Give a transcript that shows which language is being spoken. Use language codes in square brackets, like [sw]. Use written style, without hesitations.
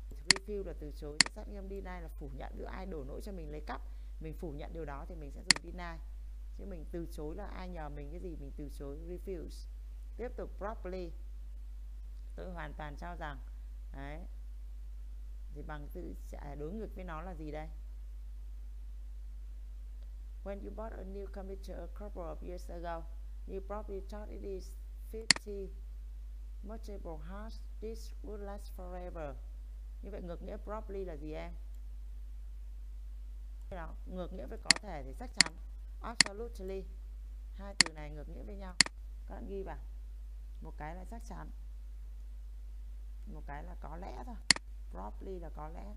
[vi] Refuse là từ chối, xác nhận. Deny là phủ nhận. Giữa ai đổ lỗi cho mình lấy cắp, mình phủ nhận điều đó thì mình sẽ dùng deny. Chứ mình từ chối là ai nhờ mình cái gì mình từ chối. Refuse. Tiếp tục properly. Tôi hoàn toàn cho rằng đấy thì bằng tự đối ngược với nó là gì đây? [en] When you bought a new computer a couple of years ago, you probably thought it is 50 multiple hard disk would last forever. [vi] Như vậy ngược nghĩa probably là gì em? Đó, ngược nghĩa với có thể thì chắc chắn. Absolutely. Hai từ này ngược nghĩa với nhau. Các bạn ghi vào. Một cái là chắc chắn. Một cái là có lẽ thôi. Probably là có lẽ.